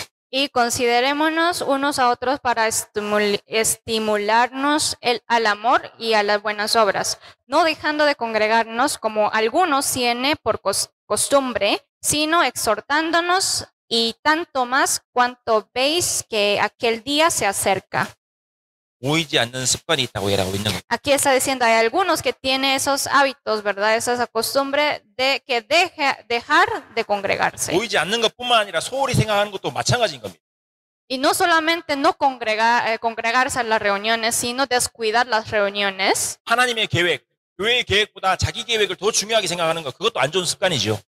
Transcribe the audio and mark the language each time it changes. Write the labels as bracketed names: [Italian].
[Spanish] Y considerémonos unos a otros para estimularnos al amor y a las buenas obras, no dejando de congregarnos como algunos tienen por costumbre, sino exhortándonos y tanto más cuanto veis que aquel día se acerca. [Korean] 보이지 않는 습관이 있다고 얘기하고 있는 거예요. [Spanish] Aquí está diciendo hay algunos que tiene esos hábitos, ¿verdad? Esa es la costumbre de que dejar de congregarse. [Korean] 보이지 않는 것뿐만 아니라 소홀히 생각하는 것도 마찬가지인 겁니다. [Spanish] Y no solamente no congregarse en las reuniones, sino descuidar las reuniones. [Korean] 하나님의 계획, 교회의 계획보다 자기 계획을 더 중요하게 생각하는 것, 그것도 안 좋은 습관이죠.